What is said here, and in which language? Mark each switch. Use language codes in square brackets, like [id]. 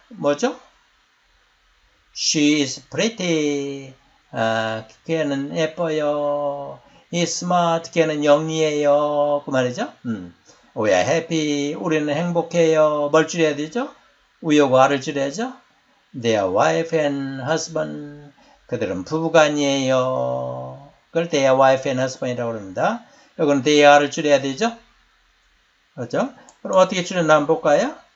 [ko] 뭐죠? [en] she is pretty [ko] 걔는 예뻐요 [en] he is smart [ko] 걔는 영리해요 그 말이죠? [en] we are happy [ko] 우리는 행복해요 뭘 줄여야 되죠? we하고 are를 줄여야죠? [en] they are wife and husband [ko] 그들은 부부가 아니에요. 그걸 [en] they are wife and husband [ko] 이라고 합니다. 이건 they are를 줄여야 되죠? 그렇죠? 그럼 어떻게 줄여나 한번 볼까요?